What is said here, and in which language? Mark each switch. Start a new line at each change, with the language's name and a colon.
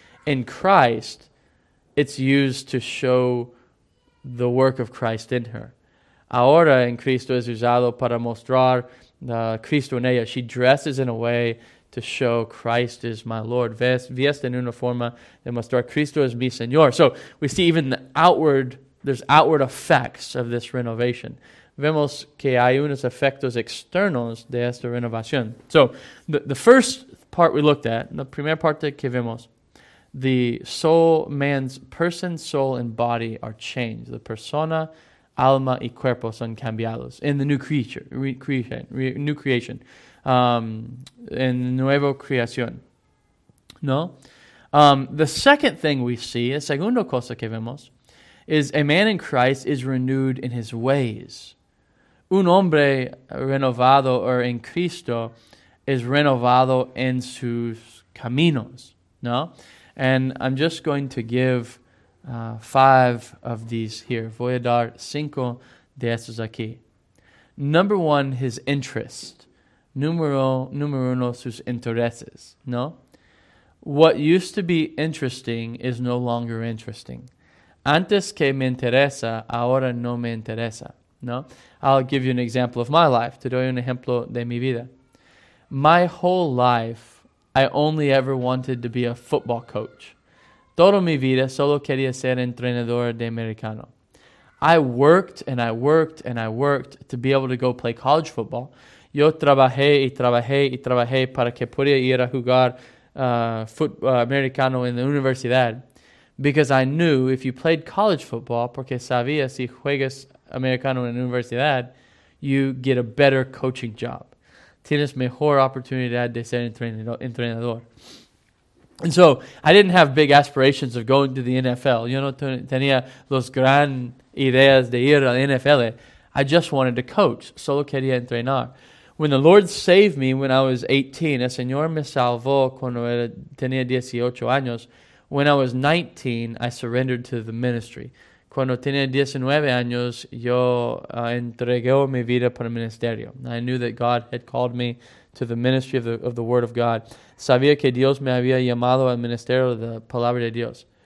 English: In Christ, it's used to show the work of Christ in her.
Spanish: Ahora en Cristo es usado para mostrar Cristo en ella.
English: She dresses in a way to show Christ is my Lord.
Spanish: Viste en una forma de mostrar Cristo es mi Señor.
English: So we see even the outward, there's outward effects of this renovation.
Spanish: Vemos que hay unos efectos externos de esta renovación.
English: So the first part we looked at,
Spanish: la primera parte que vemos,
English: the soul, man's person, soul, and body are changed. The persona,
Spanish: alma y cuerpo son cambiados
English: in the new creation, in the
Spanish: nuevo creación, ¿no?
English: The second thing we see, la segunda cosa que vemos, is a man in Christ is renewed in his ways.
Spanish: Un hombre renovado or en Cristo is renovado en sus caminos, ¿no?
English: And I'm just going to give five of these here.
Spanish: Voy a dar cinco de estos aquí.
English: Number one, his interest.
Spanish: Número uno, sus intereses, ¿no?
English: What used to be interesting is no longer interesting.
Spanish: Antes que me interesa, ahora no me interesa, ¿no?
English: I'll give you an example of my life.
Spanish: Te doy un ejemplo de mi vida.
English: My whole life, I only ever wanted to be a football coach.
Spanish: Toda mi vida solo quería ser entrenador de americano.
English: I worked and I worked and I worked to be able to go play college football.
Spanish: Yo trabajé y trabajé y trabajé para que pudiera ir a jugar americano en la universidad.
English: Because I knew if you played college football,
Spanish: porque sabía si juegas americano en la universidad,
English: you get a better coaching job.
Spanish: Tienes mejor oportunidad de ser entrenador.
English: And so, I didn't have big aspirations of going to the NFL.
Spanish: Yo no tenía los gran ideas de ir a la NFL.
English: I just wanted to coach.
Spanish: Solo quería entrenar.
English: When the Lord saved me when I was 18,
Spanish: el Señor me salvó cuando tenía 18 años.
English: When I was 19, I surrendered to the ministry.
Spanish: Cuando tenía 19 años, yo entregué mi vida para el ministerio.
English: I knew that God had called me to the ministry of the Word of God.
Spanish: Sabía que Dios me había llamado al ministerio de la Palabra de Dios.